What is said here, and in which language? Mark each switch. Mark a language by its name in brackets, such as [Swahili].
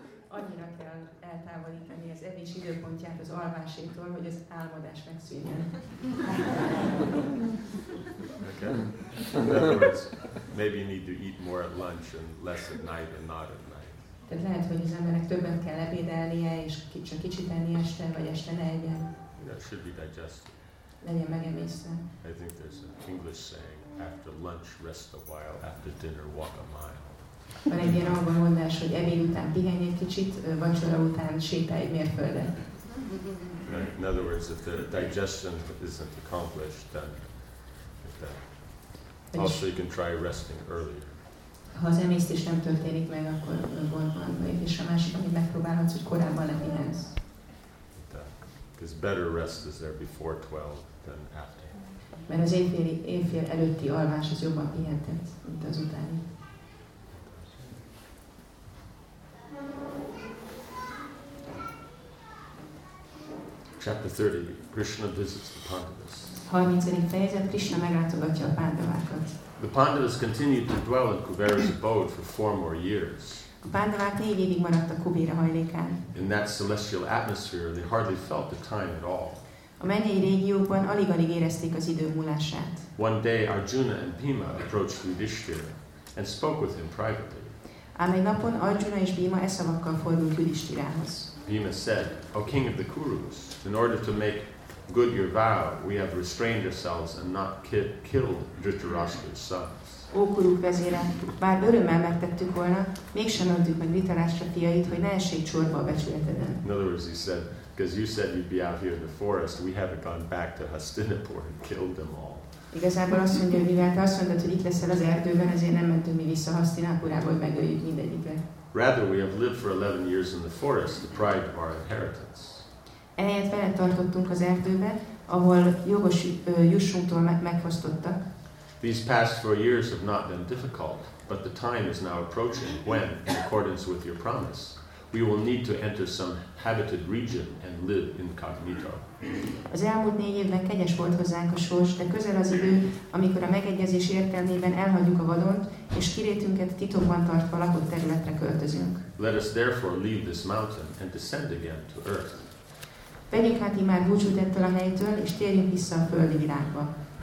[Hungarian] Annyira kell eltávolítani az evés időpontját az alvásétól, hogy az álmodás megszűnjön. [English] Okay. In other words, maybe you need to eat more at lunch and less at night and not at night. [Hungarian] Tehát lehet, hogy az embernek többet kell ebédelnie, és csak kicsit enni este, vagy este ne egyen. [English] That should be digested. [Hungarian] Legyen megemésztve. [English] I think there's an English saying, after lunch rest a while, after dinner walk a mile. [Hungarian] Van egy ilyen angol mondás, hogy ebéd után pihenj egy kicsit, vacsora után sétálj egy mérföldet. [English] In other words, if the digestion isn't accomplished, then if that... Also, you can try resting earlier. [Hungarian] Ha az emésztés nem történik meg, akkor gondolom, és a másik, amit megpróbálhatsz, hogy korábban lepihensz. [English] Because better rest is there before 12 than after. [Hungarian] Mert az éjfél előtti alvás az jobban pihentet, mint az utáni. [English] Chapter 30, Krishna visits the Pandavas. [Hungarian] 30. fejezet, Krishna meglátogatja a Pandavákat. [English] The Pandavas continued to dwell in Kuvera's abode for 4 more years. [Hungarian] A Pandavák 4 évig maradtak Kubera hajlékán. [English] In that celestial atmosphere, they hardly felt the time at all. [Hungarian] A mennyei régiókban alig-alig érezték az idő múlását. [English] One day, Arjuna and Bhima approached Yudhishthira and spoke with him privately. [Hungarian] Ám egy napon Arjuna és Bhima e szavakkal fordult Yudhishthirához. [English] Bhima said, O king of the Kurus, in order to make good your vow, we have restrained ourselves and not killed Dhritarashtra's sons. [Hungarian] Ó kuruk vezére, bár örömmel megtettük volna, mégsem öltük meg Dhritarashtra fiait, hogy ne essék csorba a becsületeden. [English] In other words, he said, because you said you'd be out here in the forest, we haven't gone back to Hastinapur and killed them all. [Hungarian] Igazából azt mondja, mivel te azt mondtad, hogy itt leszel az erdőben, ezért nem mentünk mi vissza Hastinapurába, hogy megöljük mindegyiket. [English] Rather, we have lived for 11 years in the forest, deprived of our inheritance. [Hungarian] Ehelyett veled tartottunk az erdőbe, ahol jogos jussunktól megfosztottak. [English] These past 4 years have not been difficult, but the time is now approaching when, in accordance with your promise, we will need to enter some habited region and live incognito. [Hungarian] Az elmúlt 4 évben kegyes volt hozzánk a sors, de közel az idő, amikor a megegyezés értelmében elhagyjuk a vadont, és kirétünket titokban tartva lakott területre költözünk. [English] Let us therefore leave this mountain and descend again to earth. [Hungarian] Vegyünk hát imád búcsút ettől a helytől, és térjünk vissza a földi világba.